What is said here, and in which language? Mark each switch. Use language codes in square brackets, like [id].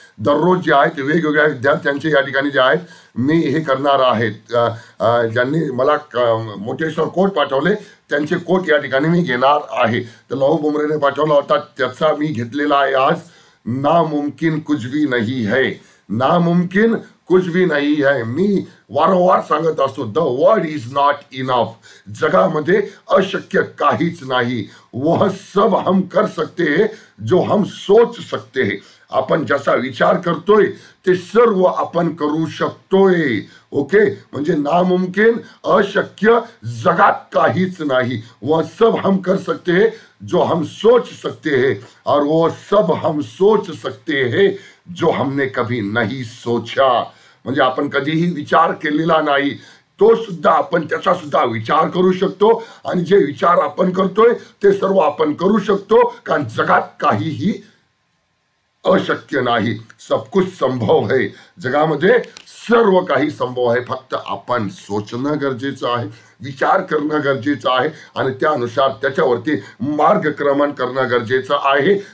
[mr] दररोज जे आहेत वेगवेगळ्या विद्यार्थ्यांचे या ठिकाणी जे आहेत मी हे करणार आहेत, ज्यांनी मला मोटिवेशनल कोट पाठवले त्यांचे कोट या ठिकाणी मी घेणार आहे। तर लहू बुमरेने पाठवला होता त्याचा मी घेतलेला आहे आज, [hi] नामुमकिन कुछ भी नहीं है, [mr] नामुमकिन कुछ भी नाही आहे. मी वारंवार सांगत असतो, the word is not enough. जगामध्ये अशक्य काहीच नाही. [hi] वह सब हम कर सकते है जो हम सोच सकते है. [mr] आपण जसा विचार करतोय ते सर्व आपण करू शकतोय. ओके, म्हणजे नामुमकिन अशक्य जगात काहीच नाही. [hi] वह सब हम कर सकते है जो हम सोच सकते है, और वह सब हम सोच सकते है जो हमने कभी नहीं सोचा. [mr] म्हणजे आपण कधीही विचार केलेला नाही तो सुद्धा आपण त्याचा सुद्धा विचार करू शकतो, आणि जे विचार आपण करतोय ते सर्व आपण करू शकतो, कारण जगात काहीही अशक्य नाही. [hi] सब कुछ संभव है. [mr] जगामध्ये सर्व काही संभव है, फक्त आपण सोचणं गरजेचं आहे, विचार करणं गरजेचं आहे, आणि त्यानुसार त्याच्यावरती मार्गक्रमण करणं गरजेचं आहे.